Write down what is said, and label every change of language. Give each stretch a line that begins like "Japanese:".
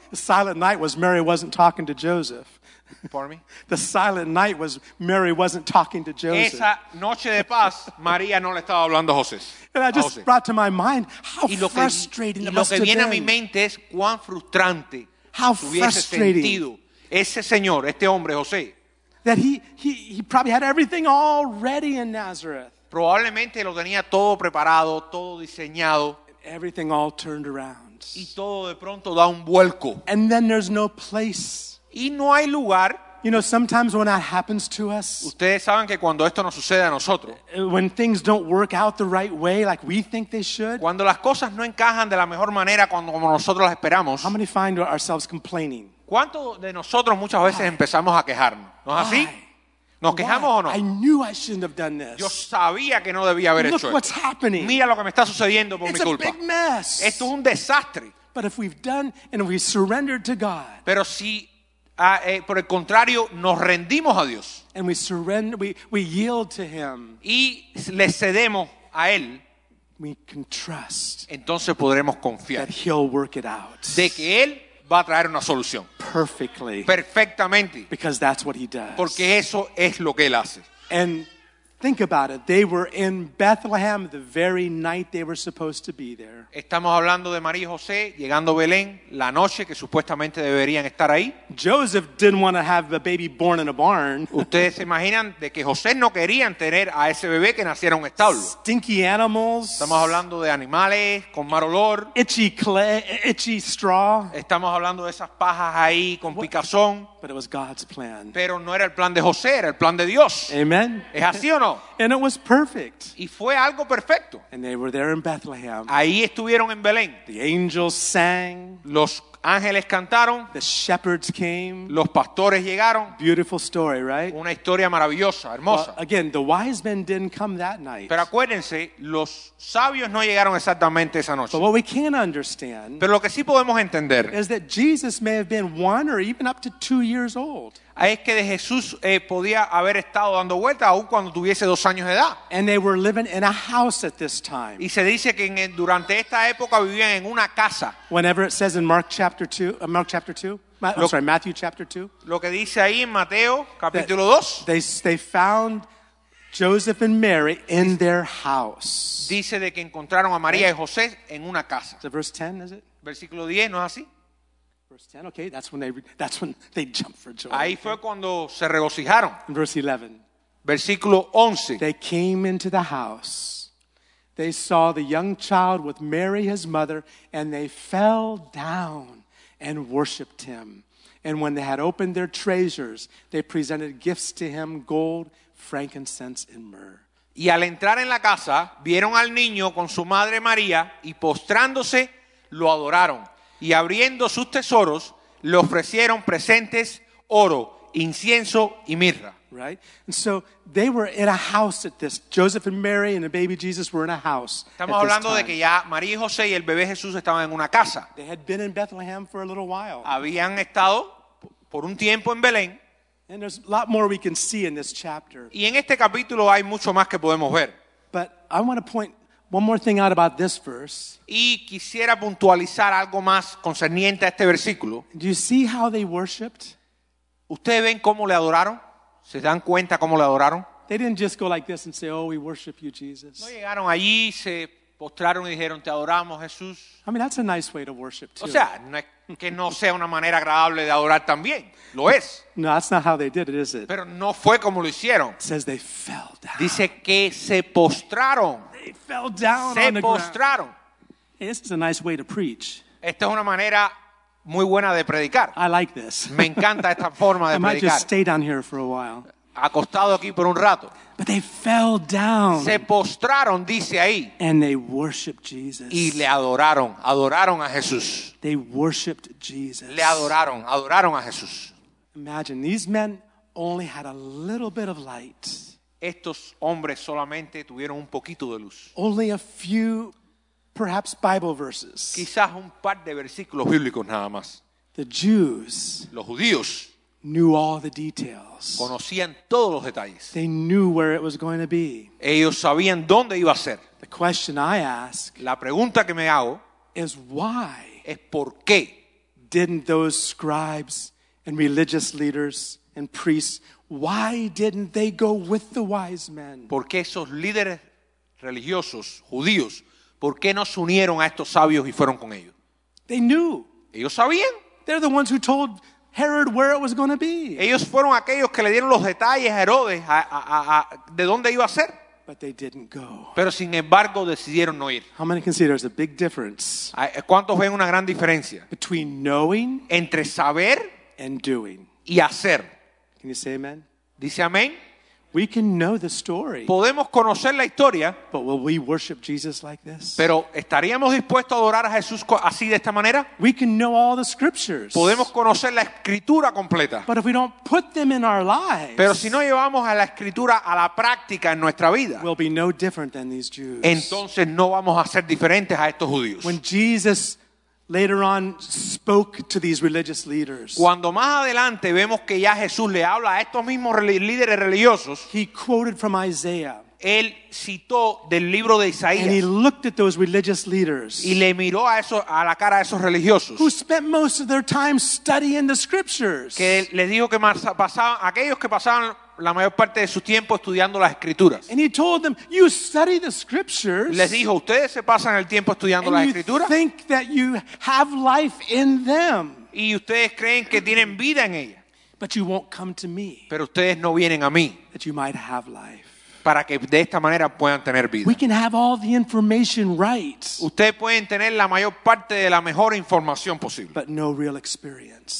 English: The silent night was Mary wasn't talking to Joseph. Pardon me? The silent night was Mary wasn't talking to Joseph.
Spanish: Esa noche de paz, María no le estaba hablando a José.
English: And I just brought to my mind how frustrating it must have been.
Spanish: Lo que viene a mi mente es cuán frustrante hubiese sentido ese señor, este hombre, José.
English: That he probably had everything all ready in Nazareth.
Spanish: Probablemente lo tenía todo preparado, todo diseñado.
English: Everything all turned around.
Spanish: Y todo de pronto da un vuelco.
English: And then there's no place.
Spanish: Y no hay lugar.
English: You know, sometimes when that happens to us,
Spanish: ustedes saben que cuando esto nos sucede a nosotros,
English: when things don't work out the right way like we think they should,
Spanish: cuando las cosas no encajan de la mejor manera como nosotros las esperamos,
English: how many find ourselves complaining?
Spanish: ¿Cuántos de nosotros muchas veces empezamos a quejarnos? ¿No es así? ¿Nos quejamos o no?
English: I knew I shouldn't have done this.
Spanish: Yo sabía que no debía haber hecho esto.
English: Look what's happening.
Spanish: Mira lo que me está sucediendo por
English: It's
Spanish: mi culpa.
English: A big mess.
Spanish: Esto es un desastre.
English: But if we've done and we surrendered to God,
Spanish: pero si por el contrario, nos rendimos a Dios.
English: And we surrender, we yield to him.
Spanish: Y le cedemos a él.
English: We can trust.
Spanish: Entonces podremos confiar.
English: That he'll work it out.
Spanish: De que él va a traer una solución.
English: Perfectly.
Spanish: Perfectamente.
English: Because that's what he does.
Spanish: Porque eso es lo que él hace.
English: And think about it. They were in Bethlehem the very night they were supposed to be there.
Spanish: Estamos hablando de María y José llegando a Belén la noche que supuestamente deberían estar ahí.
English: Joseph didn't want to have a baby born in a barn.
Spanish: Ustedes se imaginan de que José no querían tener a ese bebé que naciera en un establo.
English: Stinky animals.
Spanish: Estamos hablando de animales con mal olor.
English: Itchy clay, itchy straw.
Spanish: Estamos hablando de esas pajas ahí con picazón.
English: But it was God's plan.
Spanish: Pero no era el plan de José, era el plan de Dios.
English: Amen.
Spanish: ¿Es así o no?
English: And it was perfect.
Spanish: Y fue algo perfecto.
English: And they were there in Bethlehem.
Spanish: Ahí estuvieron en Belén.
English: The angels sang.
Spanish: Los ángeles cantaron.
English: The shepherds came.
Spanish: Los pastores llegaron.
English: Beautiful story, right?
Spanish: Una historia maravillosa, hermosa.
English: Well, again, the wise men didn't come that night.
Spanish: Pero acuérdense, los sabios no llegaron exactamente esa noche.
English: But what we can understand,
Spanish: pero lo que sí podemos entender,
English: is that Jesus may have been one or even up to 2 years old.
Spanish: Es que de Jesús podía haber estado dando vueltas aún cuando tuviese 2 años de edad.
English: And they were living in a house at this time.
Spanish: Y se dice que durante esta época vivían en una casa.
English: Whenever it says in Matthew chapter 2.
Spanish: Lo que dice ahí en Mateo capítulo 2.
English: They found Joseph and Mary in their house.
Spanish: Dice de que encontraron a María y José en una casa.
English: Is it verse 10, is it?
Spanish: Versículo 10, ¿no es así?
English: Verse 10, okay, that's when they jumped for joy.
Spanish: Ahí fue cuando se regocijaron.
English: Verse 11.
Spanish: Versículo 11.
English: They came into the house. They saw the young child with Mary, his mother, and they fell down and worshipped him. And when they had opened their treasures, they presented gifts to him, gold, frankincense, and myrrh.
Spanish: Y al entrar en la casa, vieron al niño con su madre María, y postrándose, lo adoraron. Y abriendo sus tesoros, le ofrecieron presentes, oro, incienso y mirra.
English: Right? And so they were in a house at this. Joseph and Mary and the baby Jesus were in a house.
Spanish: Estamos hablando de que ya María y José y el bebé Jesús estaban en una casa.
English: They had been in Bethlehem for a little while.
Spanish: Habían estado por un tiempo en Belén.
English: And there's a lot more we can see in this chapter.
Spanish: Y en este capítulo hay mucho más que podemos ver.
English: But I want to point one more thing out about this verse.
Spanish: Y quisiera puntualizar algo más concerniente a este versículo.
English: Do you see how they worshipped?
Spanish: ¿Ustedes ven cómo le adoraron? ¿Se dan cuenta cómo le adoraron?
English: They didn't just go like this and say, "Oh, we worship you, Jesus."
Spanish: No llegaron allí, se postraron y dijeron, "Te adoramos, Jesús."
English: I mean, that's a nice way to worship too.
Spanish: O sea, no es que no sea una manera agradable de adorar también. Lo es.
English: No, that's not how they did it, is it?
Spanish: Pero no fue como lo hicieron.
English: It says they fell down.
Spanish: Dice que se postraron.
English: They fell down
Spanish: se
English: on the
Spanish: postraron.
English: Ground. This is a nice way to preach.
Spanish: Esta es una manera muy buena de predicar.
English: I like this.
Spanish: Me encanta esta forma de predicar.
English: I might just stay down here for a while.
Spanish: Acostado aquí por un rato.
English: But they fell down.
Spanish: Se postraron, dice ahí.
English: And they worshiped Jesus.
Spanish: Y le adoraron, adoraron a Jesús.
English: They worshiped Jesus.
Spanish: Le adoraron, adoraron a Jesús.
English: Imagine, these men only had a little bit of light.
Spanish: Estos hombres solamente tuvieron un poquito de luz.
English: Only a few, perhaps, Bible verses.
Spanish: Quizás un par de versículos bíblicos nada más.
English: The Jews.
Spanish: Los judíos.
English: Knew all the details.
Spanish: Conocían todos los detalles.
English: They knew where it was going to be.
Spanish: Ellos sabían dónde iba a ser.
English: The question I ask.
Spanish: La pregunta que me hago.
English: Is why.
Spanish: Es por qué.
English: Didn't those scribes and religious leaders and priests, why didn't they go with the wise men?
Spanish: ¿Por qué esos líderes religiosos judíos, por qué no se unieron a estos sabios y fueron con ellos?
English: They knew.
Spanish: Ellos sabían.
English: They're the ones who told Herod where it was going to be.
Spanish: Ellos fueron aquellos que le dieron los detalles a Herodes de dónde iba a ser.
English: But they didn't go.
Spanish: Pero sin embargo decidieron no ir.
English: How many can see there's a big difference?
Spanish: ¿Cuántos ven una gran diferencia?
English: Between knowing
Spanish: entre saber
English: and doing.
Spanish: Y hacer.
English: Can you say amen?
Spanish: Dice amén.
English: We can know the story.
Spanish: Podemos conocer la historia.
English: But will we worship Jesus like this?
Spanish: Pero ¿estaríamos dispuestos a adorar a Jesús así de esta manera?
English: We can know all the scriptures.
Spanish: Podemos conocer la escritura completa.
English: But if we don't put them in our lives.
Spanish: Pero si no llevamos a la escritura a la práctica en nuestra vida.
English: We'll be no different than these Jews.
Spanish: Entonces no vamos a ser diferentes a estos judíos.
English: When Jesus later on spoke to these religious leaders.
Spanish: Cuando más adelante vemos que ya Jesús le habla a estos mismos líderes religiosos.
English: He quoted from Isaiah.
Spanish: Él citó del libro de Isaías.
English: And he looked at those religious leaders.
Spanish: Y le miró a la cara a esos religiosos.
English: Who spent most of their time studying the scriptures.
Spanish: Que les dijo que pasaban aquellos que pasaban la mayor parte de su tiempo estudiando las escrituras.
English: And he told them, you study the scriptures.
Spanish: Les dijo, ustedes se pasan el tiempo estudiando las escrituras.
English: And you think that you have life in them.
Spanish: Y ustedes creen que tienen vida en ella.
English: But you won't come to me.
Spanish: Pero ustedes no vienen a mí.
English: That you might have life.
Spanish: Para que de esta manera puedan tener vida.
English: We can have all the information right.
Spanish: Ustedes pueden tener la mayor parte de la mejor información posible.
English: But no real experience.